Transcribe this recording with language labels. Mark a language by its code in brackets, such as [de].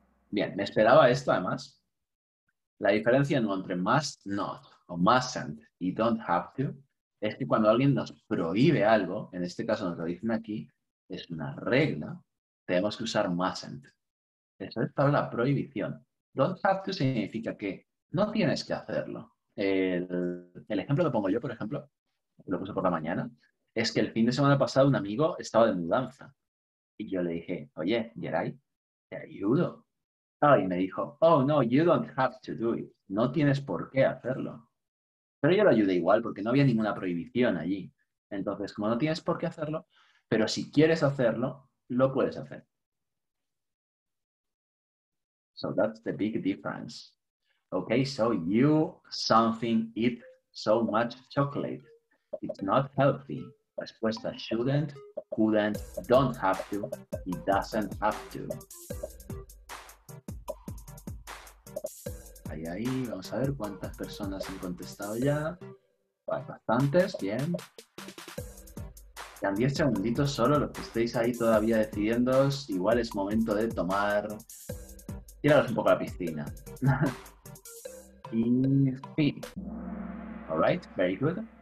[es] Bien, me esperaba esto además. La diferencia entre must not o mustn't y don't have to es que cuando alguien nos prohíbe algo, en este caso nos lo dicen aquí, es una regla, tenemos que usar mustn't. Eso es para la prohibición. Don't have to significa que no tienes que hacerlo. El ejemplo que pongo yo, por ejemplo, lo puse por la mañana, es que el fin de semana pasado un amigo estaba de mudanza. Y yo le dije, oye, Geray, te ayudo. Ah, y me dijo, oh, no, you don't have to do it. No tienes por qué hacerlo. Pero yo lo ayudé igual porque no había ninguna prohibición allí. Entonces, como no tienes por qué hacerlo, pero si quieres hacerlo, lo puedes hacer. [en] So that's the big difference. Okay, so you something eat so much chocolate. It's not healthy. Respuesta shouldn't, couldn't, don't have to, it doesn't have to. [es] Ahí, vamos a ver cuántas personas han contestado ya. Hay bastantes, bien. Quedan 10 segunditos solo, los que estéis ahí todavía decidiéndoos, igual es momento de tomar... Tiraros un poco a la piscina. Y fin. Alright, very good.